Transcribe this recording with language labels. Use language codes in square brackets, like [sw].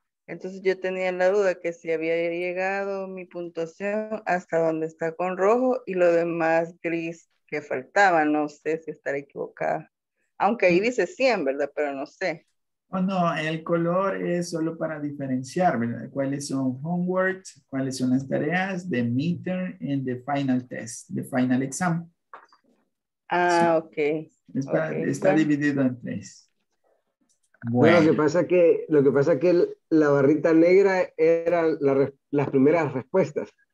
[es] Entonces yo tenía la duda que si había llegado mi puntuación hasta donde está con rojo y lo demás gris que faltaba. No sé si estaré equivocada. Aunque ahí dice 100, ¿verdad? Pero no sé. Bueno, el color es solo para diferenciar, ¿verdad? ¿Cuáles son homework? ¿Cuáles son las tareas? [en] The midterm and the final test, the final exam. [es] Ah, sí. Ok. Es para, okay. Está dividido en tres. Bueno, lo que pasa es que la barrita negra era las primeras respuestas.